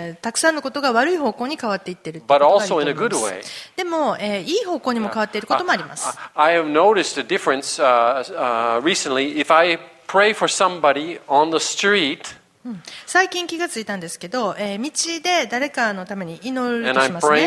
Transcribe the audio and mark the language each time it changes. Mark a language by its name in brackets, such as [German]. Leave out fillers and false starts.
[Japanese] くさんのことが悪い方向に変わっていってるってことがあると思います。でも、いい方向にも変わっていることもあります。 [English] I have noticed a difference recently. If I pray for somebody on the street, [Japanese] 最近気がついたんですけど、道で誰かのために祈るとしますね。